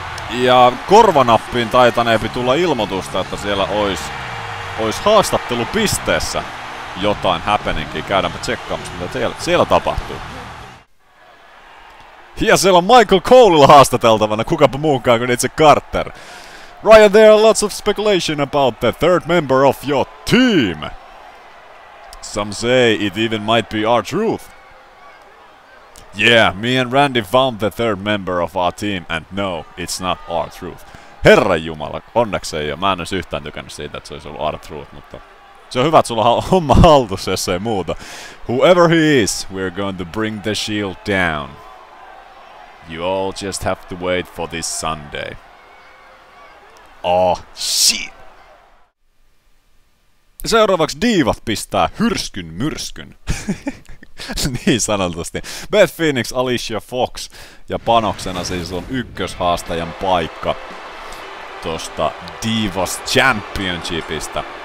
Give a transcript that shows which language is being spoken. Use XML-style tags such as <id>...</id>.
<fi>Ja korvanappiin taitaneepi tulla ilmoitusta, että siellä olisi haastattelupisteessä jotain happeningia. Käydäänpä tsekkaamassa, mitä siellä tapahtuu. Ja siellä on Michael Colella haastateltavana, kukapa muunkaan kuin itse Carter.</fi> <en>Ryan, there are lots of speculation about the third member of your team. Some say it even might be R-Truth. Yeah, me and Randy found the third member of our team, and no, it's not R-Truth.</en> <fi>Herranjumala, onneksi ei ole. Mä en olisi yhtään tykännyt siitä, että se olisi ollut R-Truth, mutta... Se on hyvä, että sulla on homma haltus, jos ei muuta.</fi> <en>Whoever he is, we're going to bring the shield down. You all just have to wait for this Sunday. Oh, shit!</en> <fi>Seuraavaksi diivat pistää hyrskyn myrskyn. Niin sanotusti. Beth Phoenix, Alicia Fox. Ja panoksena siis on ykköshaastajan paikka tosta Divas Championshipista.</fi>